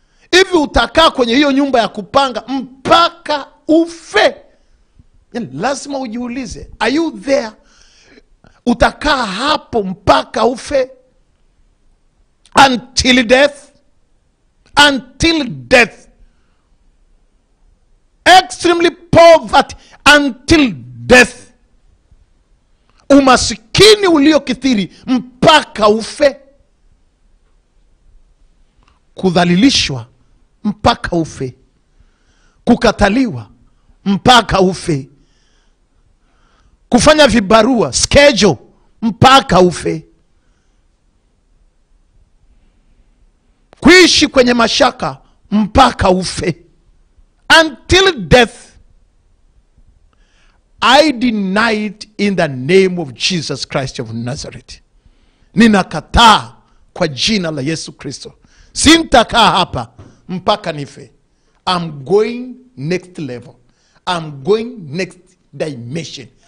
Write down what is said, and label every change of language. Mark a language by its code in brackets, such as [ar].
[sw] Hivi utakaa kwenye hiyo nyumba ya kupanga mpaka ufe? Yani lazima ujiulize, [en] are you there? [sw] Utakaa hapo mpaka ufe? [en] Until death. Until death. Extremely poverty until death. [sw] Umasikini uliokithiri mpaka ufe. Kudhalilishwa mpaka ufe. Kukataliwa mpaka ufe. Kufanya vibarua schedule mpaka ufe. Kuishi kwenye mashaka mpaka ufe. [en] Until death. I deny it in the name of Jesus Christ of Nazareth. [sw] Ninakataa kwa jina la Yesu Kristo. Sintakaa hapa mpaka nife. [en] I'm going next level. I'm going next dimension.